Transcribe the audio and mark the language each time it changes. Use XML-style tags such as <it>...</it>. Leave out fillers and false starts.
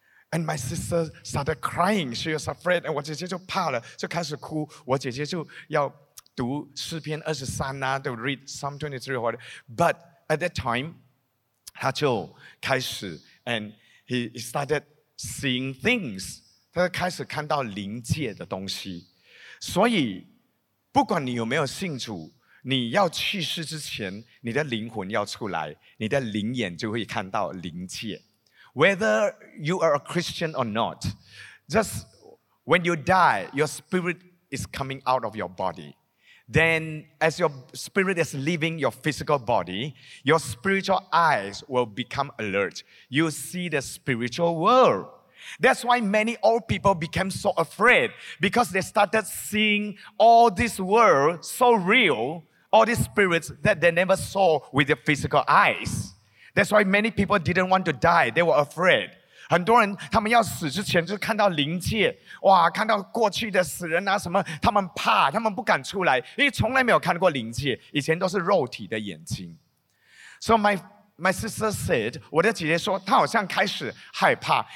<en>And my sister started crying. She was afraid. And</en> <zh>我姐姐就怕了，就开始哭。我姐姐就要读诗篇23啊，</zh> <en>to read Psalm 23 or whatever. But at that time,</en> <zh>她就开始</zh> <en>and he started seeing things.</en> <zh>她就开始看到灵界的东西。所以不管你有没有信主，你要去世之前，你的灵魂要出来，你的灵眼就会看到灵界。</zh> <en>Whether you are a Christian or not, just when you die, your spirit is coming out of your body. Then, as your spirit is leaving your physical body, your spiritual eyes will become alert. You see the spiritual world. That's why many old people became so afraid because they started seeing all this world so real, all these spirits that they never saw with their physical eyes. That's why many people didn't want to die. They were afraid.</en> <zh>很多人他们要死之前就看到灵界，哇，看到过去的死人啊什么，他们怕，他们不敢出来，因为从来没有看过灵界，以前都是肉体的眼睛。</zh> <en>So my sister said,</en> <zh>我的姐姐说，她好像开始害怕。</zh>